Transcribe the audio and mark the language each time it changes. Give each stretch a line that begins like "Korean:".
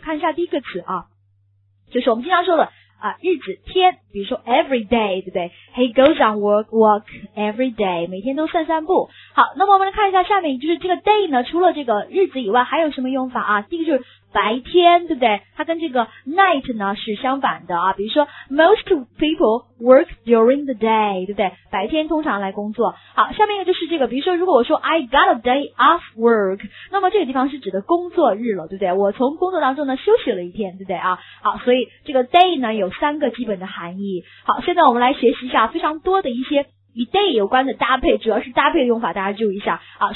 Chinese: 看一下第一个词啊，就是我们经常说的啊，日子、天，比如说 every day， 对不对 ？
English: He goes on walk every day，
Chinese: 每天都散散步。好，那么我们来看一下下面，就是这个 day 呢，除了这个日子以外，还有什么用法啊？第一个就是白天，对不对？它跟这个 night 呢是相反的啊。比如说
English: most people work during the day，
Chinese: 对不对？白天通常来工作。好，下面一个就是这个，比如说如果我说
English: I got a day off work，
Chinese: 那么这个地方是指的工作日了，对不对？我从工作当中呢休息了一天，对不对啊？好，所以这个 day 呢有三个基本的含义。好，现在我们来学习一下非常多的一些与 day 有关的搭配，主要是搭配的用法，大家注意一下啊。